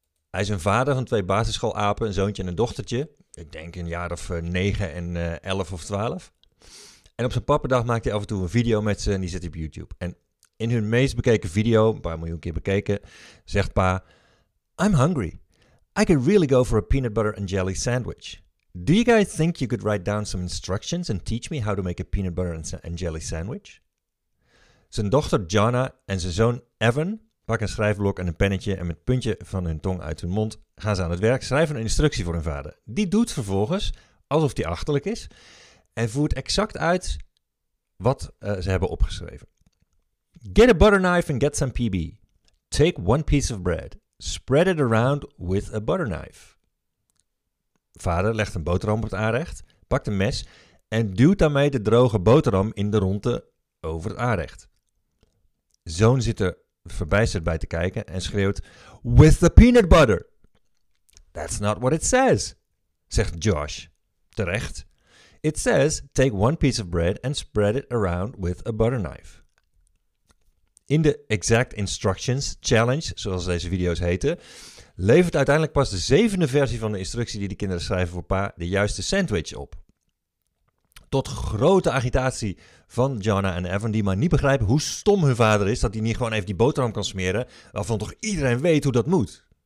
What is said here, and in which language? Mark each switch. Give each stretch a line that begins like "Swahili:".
Dutch: Hij is een vader van twee basisschoolapen, een zoontje en een dochtertje. Ik denk een jaar of 9 en 11 of 12. En op zijn pappendag maakt hij af en toe een video met ze en die zet hij op YouTube. En in hun meest bekeken video, een paar miljoen keer bekeken, zegt pa:
English: I'm hungry. I could really go for a peanut butter and jelly sandwich. Do you guys think you could write down some instructions and teach me how to make a peanut butter and jelly sandwich?
Dutch: Zijn dochter Jana en zijn zoon Evan pakken een schrijfblok en een pennetje en met het puntje van hun tong uit hun mond gaan ze aan het werk schrijven een instructie voor hun vader. Die doet vervolgens alsof die achterlijk is en voert exact uit wat ze hebben opgeschreven.
English: Get a butter knife and get some PB. Take one piece of bread. Spread it around with a butter knife.
Dutch: Vader legt een boterham op het aanrecht, pakt een mes en duwt daarmee de droge boterham in de ronde over het aanrecht. Zoon zit er verbijsterd bij te kijken en schreeuwt:
English: With the peanut butter! That's not what it says,
Dutch: zegt Josh. Terecht.
English: It says, take one piece of bread and spread it around with a butter knife.
Dutch: In de Exact Instructions Challenge, zoals deze video's heten, levert uiteindelijk pas de 7e versie van de instructie die de kinderen schrijven voor pa de juiste sandwich op. Tot grote agitatie van Jana en Evan, die maar niet begrijpen hoe stom hun vader is dat hij niet gewoon even die boterham kan smeren, waarvan toch iedereen weet hoe dat moet.